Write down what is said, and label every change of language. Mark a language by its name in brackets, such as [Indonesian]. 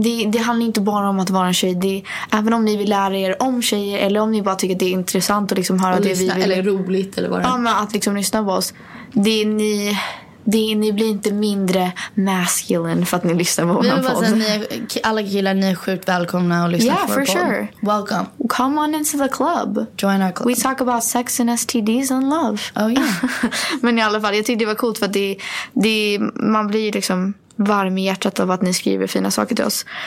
[Swedish] Det handlar inte bara om att vara en tjej, det, även om ni vill lära er om tjejer eller om ni bara tycker att det är intressant och liksom höra och lyssna, det vi vill, eller roligt eller vad. Ja, men att liksom lyssna på oss. Ni blir inte mindre masculine för att ni lyssnar på honom. Alla killar, ni är sjukt välkomna att lyssna på honom. [English] Yeah, for sure. Welcome. Come on into the club. Join our club. We talk about sex and STDs and love. Oh yeah. [Swedish] Men i alla fall, jag tyckte det var coolt för att man blir liksom varm i hjärtat av att ni skriver fina saker till oss.